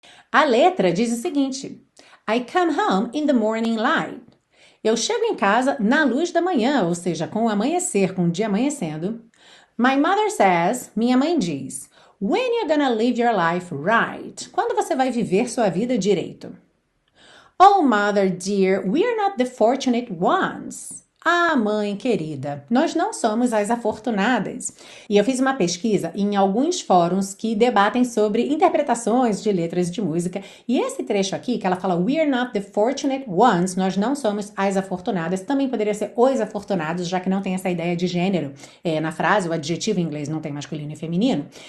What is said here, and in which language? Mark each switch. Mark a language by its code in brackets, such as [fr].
[pt] A letra diz o seguinte: [en] I come home in the morning light. [pt] Eu chego em casa na luz da manhã, ou seja, com o amanhecer, com o dia amanhecendo. [en] My mother says, [pt] minha mãe diz, [en] when you're gonna live your life right? [pt] Quando você vai viver sua vida direito? [en] Oh, mother dear, we are not the fortunate ones. [pt] Ah, mãe querida, nós não somos as afortunadas. E eu fiz uma pesquisa em alguns fóruns que debatem sobre interpretações de letras de música. E esse trecho aqui, que ela fala, [en] we are not the fortunate ones, [pt] nós não somos as afortunadas, também poderia ser os afortunados, já que não tem essa ideia de gênero na frase, o adjetivo em inglês não tem masculino e feminino.